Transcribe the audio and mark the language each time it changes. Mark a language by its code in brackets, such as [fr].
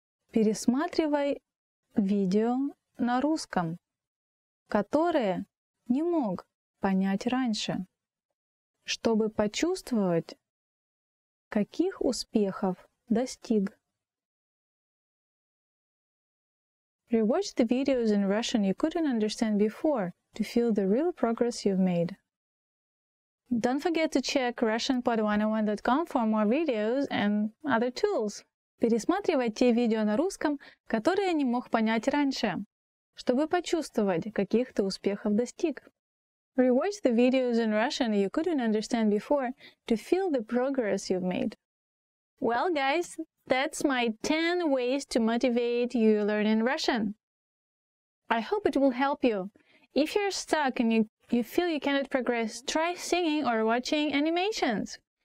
[ru] Пересматривай видео на русском, которое не мог понять раньше, чтобы почувствовать, каких успехов достиг. [en] Rewatch the videos in Russian you couldn't understand before to feel the real progress you've made. Don't forget to check RussianPod101.com for more videos and other tools. [ru] Пересматривай те видео на русском, которые не мог понять раньше, чтобы почувствовать, каких ты успехов достиг. [en] Rewatch the videos in Russian you couldn't understand before to feel the progress you've made. Well, guys, that's my 10 ways to motivate you learning Russian. I hope it will help you. If you're stuck and you feel you cannot progress, try singing or watching animations.